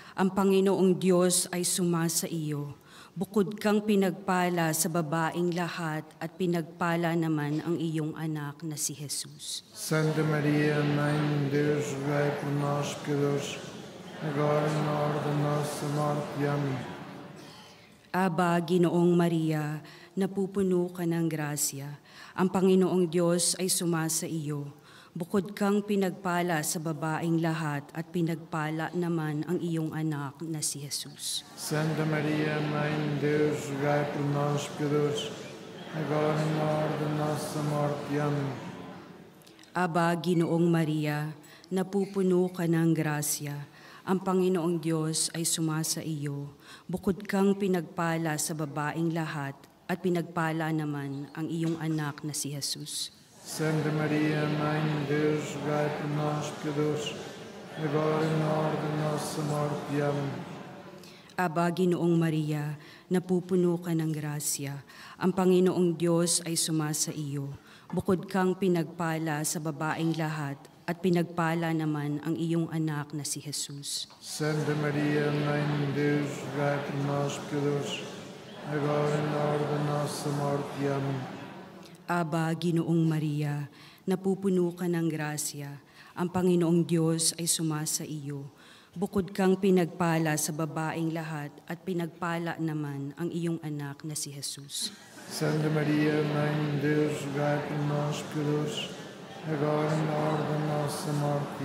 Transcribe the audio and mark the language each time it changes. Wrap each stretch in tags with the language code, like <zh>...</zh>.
<tl>Ang Panginoong Diyos ay suma sa iyo. Bukod kang pinagpala sa babaing lahat at pinagpala naman ang iyong anak na si Jesus.</tl> <pt>Santa Maria, Mãe de Deus, rogai por nós, pecadores, agora e na hora da nossa morte. Amém.</pt> <tl>Aba, Ginoong Maria, napupuno ka ng grasya. Ang Panginoong Diyos ay suma sa iyo. Bukod kang pinagpala sa babaing lahat at pinagpala naman ang iyong anak na si Jesus.</tl> <pt>Santa Maria, Mãe de Deus, rogai por nós, pecadores, agora e na hora da nossa morte. Amém.</pt> <tl>Aba, Ginoong Maria, napupuno ka ng grasya. Ang Panginoong Diyos ay suma sa iyo. Bukod kang pinagpala sa babaing lahat at pinagpala naman ang iyong anak na si Jesus.</tl> <pt>Santa Maria, Mãe de Deus, rogai por nós, pecadores, agora e na hora da nossa morte. Amém.</pt> <tl>Aba, Ginoong Maria, napupuno ka ng grasya. Ang Panginoong Diyos ay suma sa iyo. Bukod kang pinagpala sa babaing lahat at pinagpala naman ang iyong anak na si Jesus.</tl> <pt>Santa Maria, Mãe de Deus, rogai por nós, pecadores, agora e na hora da nossa morte. Amém.</pt> <tl>Aba, Ginoong Maria, napupuno ka ng grasya. ang Panginoong Diyos ay suma sa iyo. Bukod kang pinagpala sa babaeng lahat at pinagpala naman ang iyong anak na si Jesus.</tl> <pt>Santa Maria, Mãe de Deus, rogai por nós, pecadores, agora na hora da nossa morte.</pt>